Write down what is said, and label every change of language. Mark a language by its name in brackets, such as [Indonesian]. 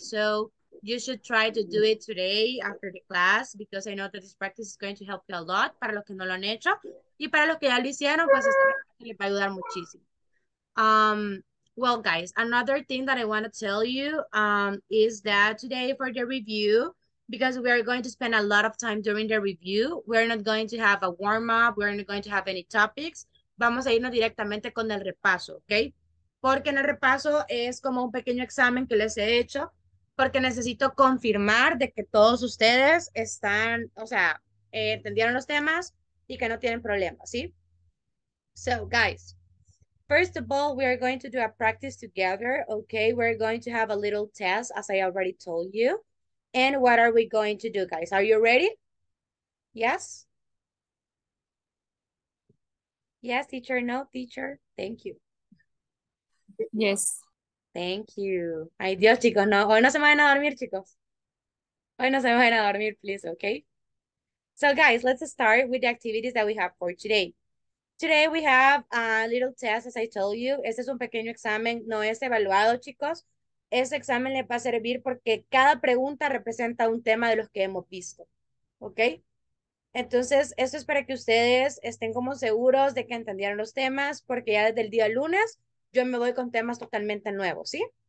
[English] So, you should try to do it today after the class because I know that this practice is going to help you a lot [Spanish] para los que no lo han hecho y para los que ya lo hicieron, pues esta les va a ayudar muchísimo. [English] Well, guys, another thing that I want to tell you is that today for the review, because we are going to spend a lot of time during the review, we're not going to have a warm-up, we're not going to have any topics. [Spanish] Vamos a irnos directamente con el repaso, okay? Porque en el repaso es como un pequeño examen que les he hecho. Porque necesito confirmar de que todos ustedes están, o sea, entendieron los temas y que no tienen problemas, ¿sí? [English] So, guys, first of all, we are going to do a practice together, okay? We're going to have a little test, as I already told you. And what are we going to do, guys? Are you ready? Yes? Yes, teacher. No, teacher. Thank you. Yes. Thank you. [Spanish] Ay, Dios, chicos, no. Hoy no se vayan a dormir, chicos. Hoy no se vayan a dormir, please, okay? [English] So, guys, let's start with the activities that we have for today. Today we have a little test, as I told you. [Spanish] Este es un pequeño examen. No es evaluado, chicos. Este examen le va a servir porque cada pregunta representa un tema de los que hemos visto, okay? Entonces, esto es para que ustedes estén como seguros de que entendieron los temas, porque ya desde el día lunes yo me voy con temas totalmente nuevos, ¿sí?